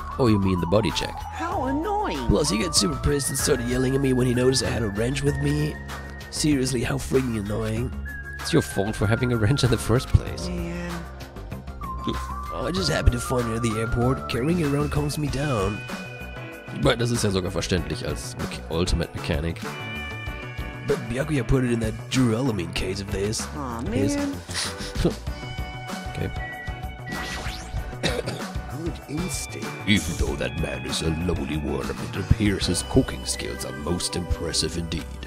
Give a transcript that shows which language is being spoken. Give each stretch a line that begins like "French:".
English: Oh, you mean the body check? How annoying! Plus, he got super pissed and started yelling at me when he noticed I had a wrench with me. Seriously, how freaking annoying. It's your fault for having a wrench in the first place. Yeah. I just happened to find you at the airport. Carrying it around calms me down. Right,
German: das ist ja sogar verständlich als Ultimate Mechanic.
English: But Byakuya put it in that durellamine case of this. Aw, man. His. Okay. Good instinct. Even though that man is a lowly worm, it appears his cooking skills are most impressive indeed.